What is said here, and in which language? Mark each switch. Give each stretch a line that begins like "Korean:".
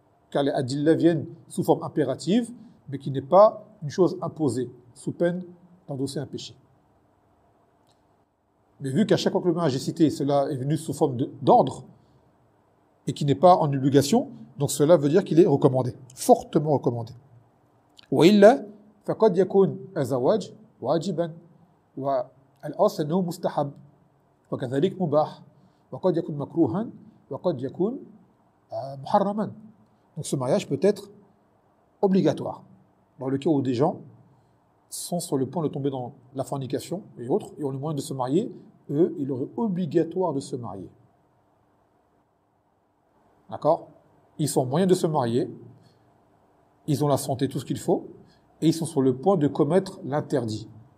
French: Car les adillah viennent sous forme impérative, mais qui n'est pas une chose imposée, sous peine d'endosser un péché. Mais vu qu'à chaque fois que le mariage est cité, cela est venu sous forme d'ordre, et qui n'est pas en obligation, donc cela veut dire qu'il est recommandé, fortement recommandé.
Arabic: وإلا فقد يكون الزواج واجبا والأصل أنه مستحب وكذلك مباح وقد يكون مكروها وقد يكون محرما.
French: Donc ce mariage peut être obligatoire dans le cas où des gens sont sur le point de tomber dans la fornication et autres et ont le moyen de se marier, eux il aurait obligatoire de se marier. D'accord ? Ils sont moyens de se marier. Ils ont la santé, tout ce qu'il faut, et ils sont sur le point de commettre l'interdit.